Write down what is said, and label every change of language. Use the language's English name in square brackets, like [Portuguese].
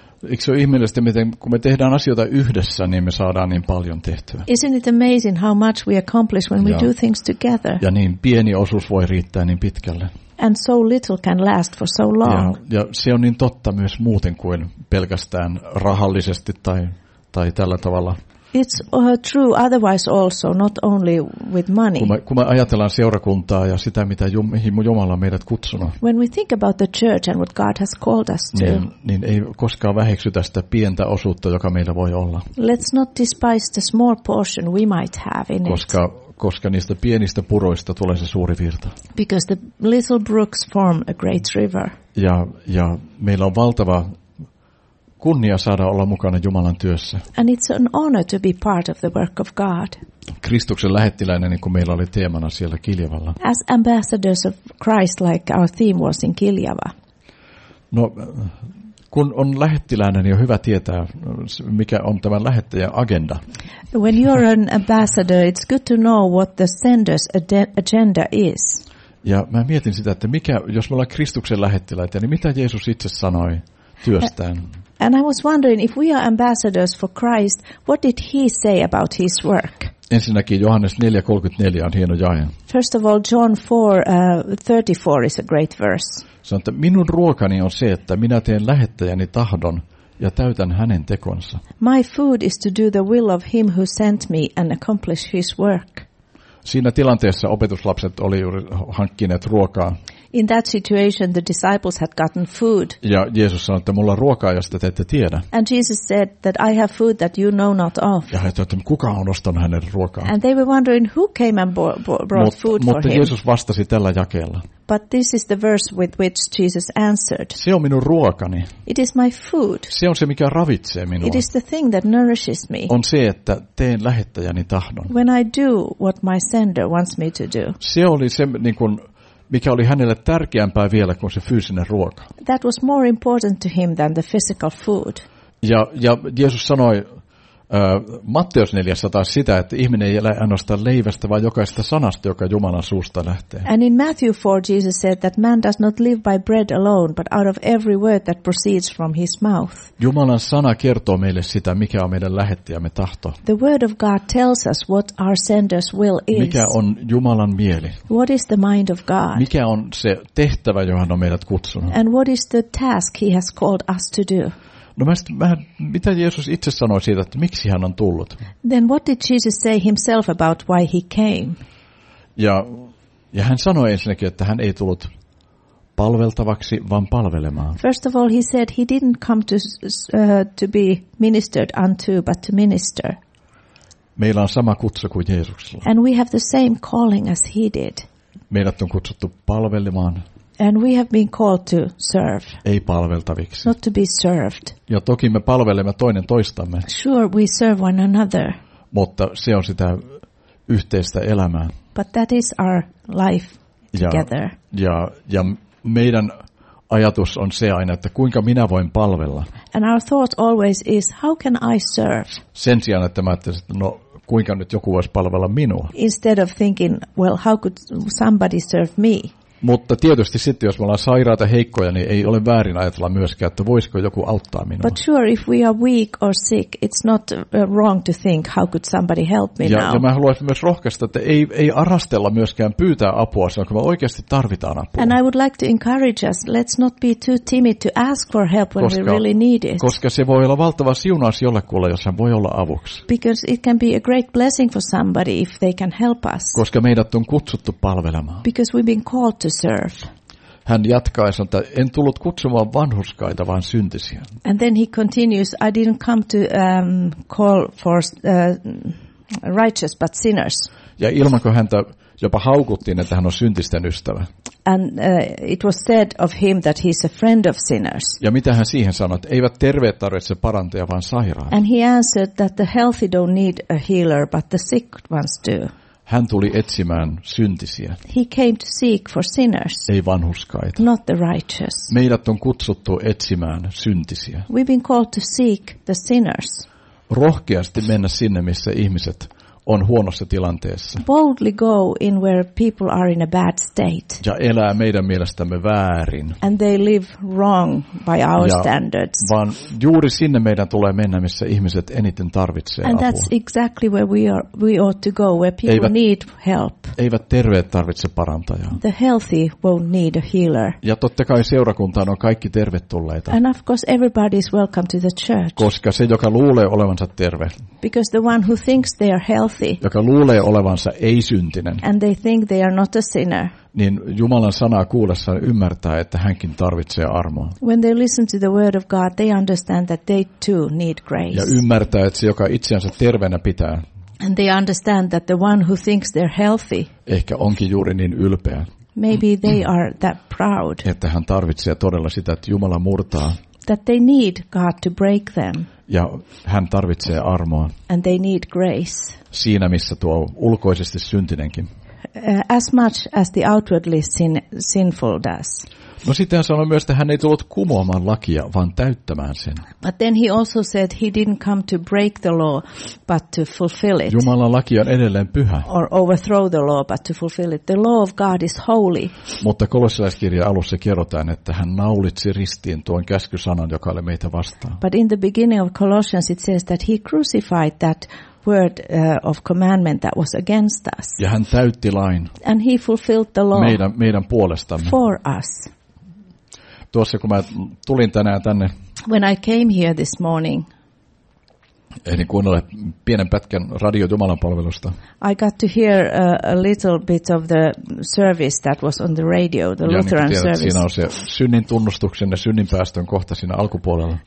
[Finnish] Eikö se ole ihmeellistä, miten kun me tehdään asioita yhdessä, niin me saadaan niin paljon tehtyä. [English] Isn't it amazing how much we accomplish when we do things together? [Finnish] Ja niin pieni osuus voi riittää niin pitkälle. [English] And so little can last for so long. [Finnish] Ja se on niin totta myös muuten kuin pelkästään rahallisesti tai tällä tavalla. [English] It's true otherwise also, not only with money. [Finnish] Kun me ajatellaan seurakuntaa ja sitä, mitä mihin Jumala on meidät kutsunut. [English] When we think about the church and what God has called us to. [Finnish] Niin ei koskaan väheksytä sitä pientä osuutta, joka meillä voi olla. [English] Let's not despise the small portion we might have in [Finnish] Koska niistä pienistä puroista tulee se suuri virta. [English] Because the little brooks form a great river. [Finnish] Ja meillä on valtava kunnia saada olla mukana Jumalan työssä. [English] And it's an honor to be part of the work of God. [Finnish] Kristuksen lähettiläinen, niin kuin meillä oli teemana siellä Kiljavalla. [English] As ambassadors of Christ, like our theme was in Kiljava. [Finnish] No, kun on lähettiläinen, niin on hyvä tietää, mikä on tämän lähettäjän agenda. [English] When you're an ambassador, it's good to know what the sender's agenda is. [Finnish] Ja mä mietin sitä, että mikä, jos me ollaan Kristuksen lähettiläitä, niin mitä Jeesus itse sanoi työstään? [English] And I was wondering, if we are ambassadors for Christ, what did he say about his work? [Finnish] Ensinnäkin Johannes 4:34 on hieno jae. [English] First of all, John 4:34 is a great verse. [Finnish] Sanoi, että minun ruokani on se, että minä teen lähettäjäni tahdon ja täytän hänen tekonsa. [English] My food is to do the will of him who sent me and accomplish his work. [Finnish] Siinä tilanteessa opetuslapset oli juuri hankkineet ruokaa. [English] In that situation the disciples had gotten food. [Finnish] Ja Jeesus sanoi, että mulla on ruokaa, josta te ette tiedä. [English] And Jesus said that I have food that you know not of. [Finnish] Ja he sanoivat, että kuka on ostanut hänelle ruokaa. [English] And they were wondering who came and brought food for him. [Finnish] Mutta Jeesus vastasi tällä jakeella. [English] But this is the verse with which Jesus answered. [Finnish] Se on minun ruokani. [English] It is my food. [Finnish] Se on se, mikä ravitsee minua. [English] It is the thing that nourishes me. [Finnish] On se, että teen lähettäjäni tahdon. [English] When I do what my sender wants me to do. [Finnish] Se oli se, niin kuin, mikä oli hänelle tärkeämpää vielä kuin se fyysinen ruoka. [English] That was more important to him than the physical food. [Finnish] Ja Jeesus sanoi Matteus 4:100 sitä, että ihminen ei elä ainoastaan leivästä, vaan jokaisesta sanasta, joka Jumalan suusta lähtee. [English] And in Matthew 4, Jesus said that man does not live by bread alone, but out of every word that proceeds from his mouth. [Finnish] Jumalan sana kertoo meille sitä, mikä on meidän lähettäjämme tahto. [English] The word of God tells us what our sender's will is. [Finnish] Mikä on Jumalan mieli? [English] What is the mind of God? [Finnish] Mikä on se tehtävä, johon on meidät kutsunut? [English] And what is the task he has called us to do? [Finnish] No mitä Jeesus itse sanoi siitä, että miksi hän on tullut? [English] Then what did Jesus say himself about why he came? [Finnish] Ja hän sanoi ensinnäkin, että hän ei tullut palveltavaksi, vaan palvelemaan. [English] First of all he said he didn't come to be ministered unto, but to minister. [Finnish] Meillä on sama kutsu kuin Jeesuksella. [English] And we have the same calling as he did. [Finnish] Meidät on kutsuttu palvelemaan. [English] And we have been called to serve. [Finnish] Ei palveltaviksi. [English] Not to be served. [Finnish] Ja toki me palvelemme toinen toistamme. [English] Sure, we serve one another. [Finnish] Mutta se on sitä yhteistä elämää. [English] But that is our life together. [Finnish] Ja meidän ajatus on se aina, että kuinka minä voin palvella. [English] And our thought always is, how can I serve? [Finnish] Sen sijaan, että mä ajattelin, että no, kuinka nyt joku voisi palvella minua. [English] Instead of thinking, well, how could somebody serve me? [Finnish] Mutta tietysti sitten, jos me ollaan sairaita, heikkoja, niin ei ole väärin ajatella myöskään, että voisiko joku auttaa minua. [English] But sure, if we are weak or sick, it's not wrong to think, how could somebody help me now? [Finnish] Ja mä haluaisin myös rohkaista, että ei arastella myöskään pyytää apua, kun me oikeasti tarvitaan apua. [English] And I would like to encourage us, let's not be too timid to ask for help when we really need it. [Finnish] Koska se voi olla valtava siunaus jollekulle, jos hän voi olla avuksi. [English] Because it can be a great blessing for somebody if they can help us. [Finnish] Koska meidät on kutsuttu palvelemaan. [English] Because we've been called to serve. [Finnish] hän jatkaa ja sanoo, että en tullut kutsumaan vanhurskaita, vaan syntisiä. [English] And then he continues, I didn't come to call for righteous but sinners. [Finnish] Ja ilman kuin häntä jopa haukuttiin, että hän on syntisten ystävä. [English] And it was said of him that he's a friend of sinners. [Finnish] Ja mitä hän siihen sanoi, että eivät terveet tarvitse parantaja, vaan sairaat. [English] And he answered that the healthy don't need a healer, but the sick ones do. [Finnish] Hän tuli etsimään syntisiä. [English] He came to seek for sinners. [Finnish] Ei vanhurskaita. [English] Not the righteous. [Finnish] Meidät on kutsuttu etsimään syntisiä. [English] We've been called to seek the sinners. [Finnish] Rohkeasti mennä sinne, missä ihmiset on huonossa tilanteessa. [English] Boldly go in where people are in a bad state. [Finnish] Ja elää meidän mielestämme väärin. [English] And they live wrong by our standards. [Finnish] Vaan juuri sinne meidän tulee mennä, missä ihmiset eniten tarvitsee [English] and [Finnish] apua. [English] And that's exactly where we ought to go, where people need help. [Finnish] Eivät terveet tarvitse parantajaa. [English] The healthy won't need a healer. [Finnish] Ja totta kai seurakuntaan on kaikki tervetulleita. [English] And of course everybody is welcome to the church. [Finnish] Koska se, joka luulee olevansa terve. [English] Because the one who thinks they are healthy, [Finnish] joka luulee olevansa ei-syntinen, [English] and they think they are not a sinner, [Finnish] niin Jumalan sanaa kuullessaan ymmärtää, että hänkin tarvitsee armoa. [English] When they listen to the word of God, they understand that they too need grace. [Finnish] Ja ymmärtää, että se, joka itseänsä terveenä pitää, [English] and they understand that the one who thinks they're healthy, [Finnish] ehkä onkin juuri niin ylpeä, [English] maybe they are that proud, [Finnish] että hän tarvitsee todella sitä, että Jumala murtaa, [English] that they need God to break them. [Finnish] Ja hän tarvitsee armoa. [English] And they need grace. [Finnish] Siinä missä tuo ulkoisesti syntinenkin. [English] As much as the outwardly sinful does. [Finnish] No sitten hän sanoi myös, että hän ei tullut kumoamaan lakia, vaan täyttämään sen. [English] But then he also said he didn't come to break the law, but to fulfill it. [Finnish] Jumalan laki on edelleen pyhä. [English] Or overthrow the law, but to fulfill it. The law of God is holy. [Finnish] Mutta Kolossalaiskirjan alussa kerrotaan, että hän naulitsi ristiin tuon käskysanan, joka oli meitä vastaan. [English] But in the beginning of Colossians it says that he crucified that word of commandment that was against us. [Finnish] Ja hän täytti lain. [English] And he fulfilled the law. [Finnish] Meidän puolestamme. [English] For us. [Finnish] Tuossa kun mä tulin tänään tänne. [English] When I came here this morning. [Finnish] Ehdin kuunnella pienen pätkän radio Jumalan palvelusta. [English] I got to hear a little bit of the service that was on the radio, the [Finnish] ja [English] Lutheran [Finnish] niin [English] service. [Finnish] Siinä on se synnin tunnustuksen ja synnin päästön kohta siinä alkupuolella.